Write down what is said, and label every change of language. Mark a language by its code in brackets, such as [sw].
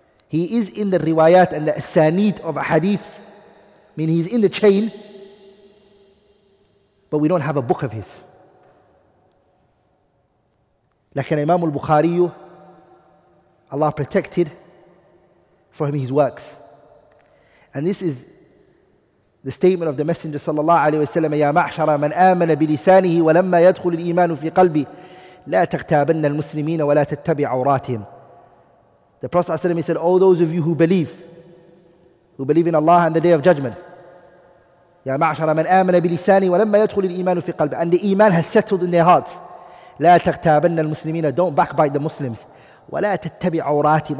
[en] He is in the riwayat and the asanid of hadiths. I mean, he's in the chain, but we don't have a book of his. Lakin Imam al-Bukhari, Allah protected for him his works. And this is the statement of the Messenger sallallahu alayhi wa sallam, [ar] يَا مَعْشَرَ مَنْ آمَنَ بِلِسَانِهِ وَلَمَّا يَدْخُلِ الْإِيمَانُ فِي قَلْبِهِ لَا تَغْتَابَنَّ الْمُسْلِمِينَ وَلَا تَتَّبِعْ عَوْرَاتِهِمْ [en] The Prophet ﷺ said, oh, those of you who believe in Allah and the Day of Judgment, [ar] يَا مَعْشَرَ مَنْ آمَنَ بِلِسَانِي وَلَمَّا يَدْخُلِ الْإِيمَانُ فِي قَلْبِ. [en] And the iman has settled in their hearts. [ar] لَا تَغْتَابَنَّ الْمُسْلِمِينَ. [en] Don't backbite the Muslims. [ar] وَلَا تَتَّبِعْ عَوْرَاتِهِمْ.